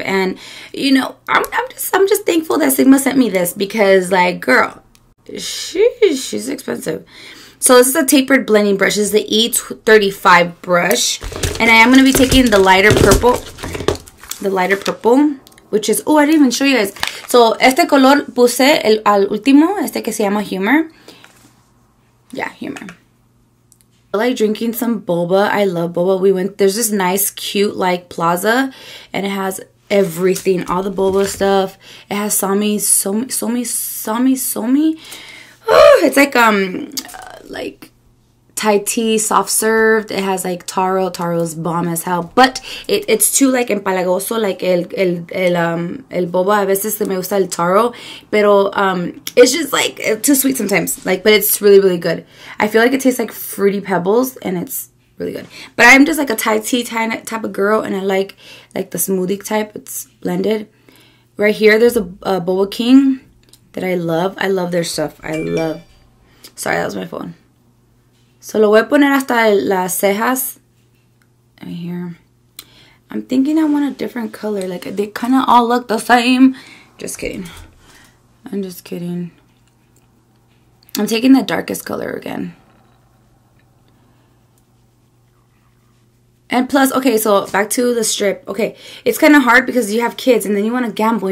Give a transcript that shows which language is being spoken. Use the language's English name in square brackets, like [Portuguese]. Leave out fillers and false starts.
[English] And, you know, I'm just thankful that Sigma sent me this, because, like, girl, she's expensive. So this is a tapered blending brush. This is the E35 brush. And I am going to be taking the lighter purple. The lighter purple, which is, oh, I didn't even show you guys. [Spanish] So este color puse al último, este que se llama Humor. [English] Yeah, Humor. I like drinking some boba. I love boba. We went, there's this nice, cute, like, plaza, and it has everything, all the boba stuff. It has somi. It's like Thai tea, soft served. It has, like, taro. Taro's bomb as hell. But it's too, like, empalagoso, like, el boba. [Spanish] A veces me gusta el taro. Pero, [English] it's just, like, too sweet sometimes. Like, but it's really, really good. I feel like it tastes like fruity pebbles, and it's really good. But I'm just, like, a Thai tea type of girl, and I like, the smoothie type. It's blended. Right here, there's a Boba King that I love. I love their stuff. I love. Sorry, that was my phone. [Spanish] So, lo voy a poner hasta las cejas. [English] Right here. I'm thinking I want a different color. Like, they kind of all look the same. Just kidding. I'm just kidding. I'm taking the darkest color again. And plus, okay, so back to the strip. Okay, it's kind of hard because you have kids and then you want to gamble.